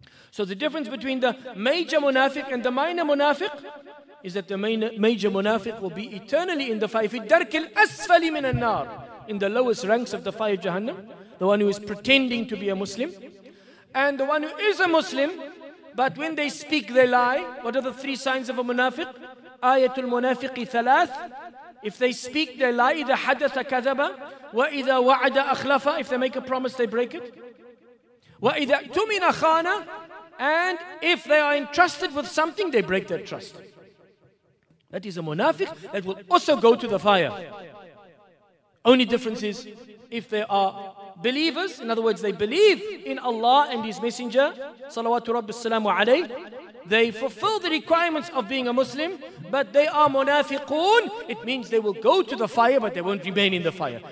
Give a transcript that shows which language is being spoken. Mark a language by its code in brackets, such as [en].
[en] So the difference between the major munafiq and the minor munafiq is that the major munafiq will be eternally in the fire. [ar] في الدرك الأسفل من النار, [en] in the lowest ranks of the fire of Jahannam, the one who is pretending to be a Muslim. And the one who is a Muslim, but when they speak, they lie. What are the three signs of a munafiq? [ar] Ayatul munafiqi thalath. [en] If they speak, they lie. [ar] إذا حدث كذبا وإذا وعد أخلفا. [en] If they make a promise, they break it. [ar] وإذا تمن خانا. [en] And if they are entrusted with something, they break their trust. That is a munafiq that will also go to the fire. Only difference is if they are believers, in other words, they believe in Allah and His Messenger, salawatu rabbi salamu alayhi, they fulfill the requirements of being a Muslim, but they are munafiqoon, it means they will go to the fire, but they won't remain in the fire.